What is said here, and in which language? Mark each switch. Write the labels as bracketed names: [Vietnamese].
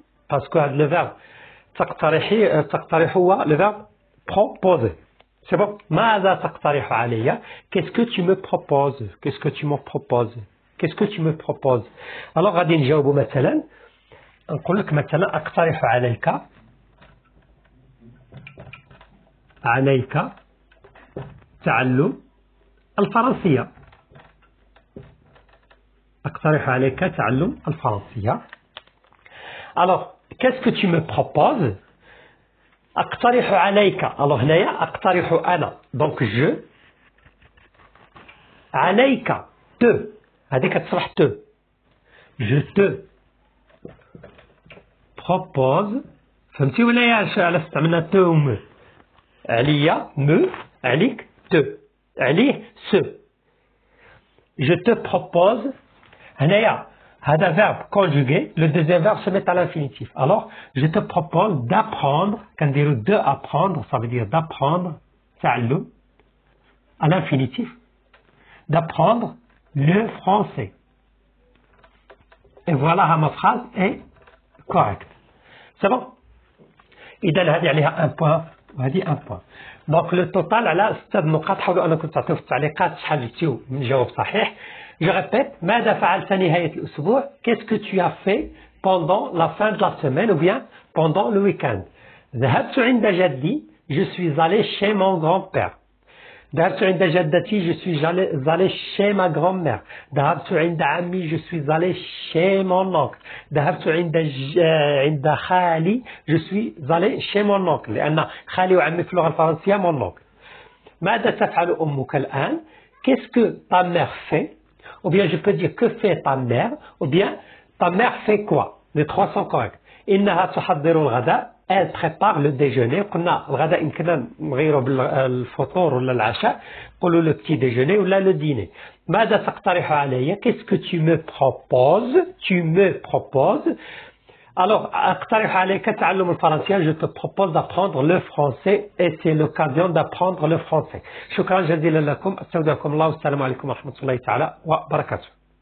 [French] Parce que le verbe [Arabic] تقترح، تقترح هو [French] le verbe proposer. C'est bon. [Arabic] ماذا تقترح عليا؟ [French] Qu'est-ce que tu me proposes? Qu'est-ce que tu me proposes? Qu'est-ce que tu me proposes? [Arabic] Alors, غادي نجاوبو مثلا. نقول لك مثلا اقترح عليك، عليك تعلم الفرنسية. اقترح عليك تعلم الفرنسية. [French] Alors, qu'est-ce que tu me proposes? [Arabic] اقترح عليك. Alors, هنايا اقترح انا. [French] Donc, je عليك te. [Arabic] هذيك تصرح te. [French] Je te propose. [Arabic] فهمتي ولا يا شعلة؟ استعملنا te و me. عليا me، عليك te، عليه se. [French] Je te propose. [Arabic] هنايا هذا [French] verb conjugué. Le deuxième verbe se met à l'infinitif. Alors, je te propose d'apprendre. كنديرو de apprendre. Ça veut dire d'apprendre. تعلم. À l'infinitif. D'apprendre. Le français. Et voilà, ma phrase est correcte. C'est bon? Et d'ailleurs, il y a un point. Il y a un point. Donc, le total, là, c'est un autre point. On a compté tout ça. Les quatre chalitiaux, je vous sais. Je répète, [Arabic] ماذا فعلت نهاية الأسبوع? [French] Qu'est-ce que tu as fait pendant la fin de la semaine ou bien pendant le week-end? [Arabic] ذهبت عند جدي. [French] Je suis allé chez mon grand-père. [Arabic] ذهبت عند جدتي. [French] Je suis allé chez ma grand-mère. [Arabic] ذهبت عند عمي. [French] Je suis allé chez mon oncle. [Arabic] ذهبت عند خالي. [French] Je suis allé chez mon oncle. [Arabic] لأن خالي وعمي في اللغة الفرنسية [French] mon oncle. [Arabic] ماذا تفعل أمك الآن? [French] Qu'est-ce que ta mère fait? Ou bien je peux dire que fait ta mère? Ou bien ta mère fait quoi? Les trois sont corrects. [Arabic] إنها تحضر الغداء. [French] Elle prépare le déjeuner. [Arabic] قلنا الغداء يمكن نغيره بالفطور ولا العشاء. [French] قولوا لو بتي ديجوني ولا لو ديني. [Arabic] ماذا تقترح علي؟ [French] Qu'est-ce que tu me proposes? Tu me proposes. [Arabic] Alors, اقترح عليك تعلم الفرنسية. [French] Je te propose d'apprendre le français. Et c'est l'occasion d'apprendre le français. [Arabic] شكرا جزيلا لكم. استودعكم الله والسلام عليكم ورحمة الله تعالى وبركاته.